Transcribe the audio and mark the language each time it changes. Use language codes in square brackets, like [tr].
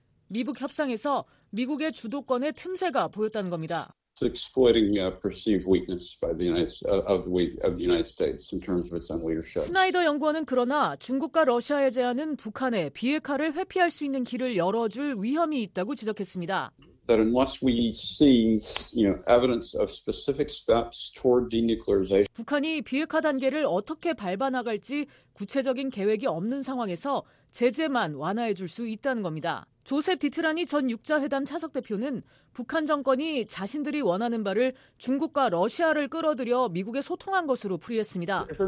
[ko] 미북 협상에서 미국의 주도권의 틈새가 보였다는 겁니다. 스나이더 연구원은 그러나 중국과 러시아의 제안은 북한의 비핵화를 회피할 수 있는 길을 열어줄 위험이 있다고 지적했습니다. [en] That unless we see, you know, evidence of specific steps toward denuclearization. [ko] 북한이 비핵화 단계를 어떻게 밟아 나갈지 구체적인 계획이 없는 상황에서 제재만 완화해 줄 수 있다는 겁니다. 조셉 디트라니 전 6자회담 차석 대표는 북한 정권이 자신들이 원하는 바를 중국과 러시아를 끌어들여 미국에 소통한 것으로 풀이했습니다.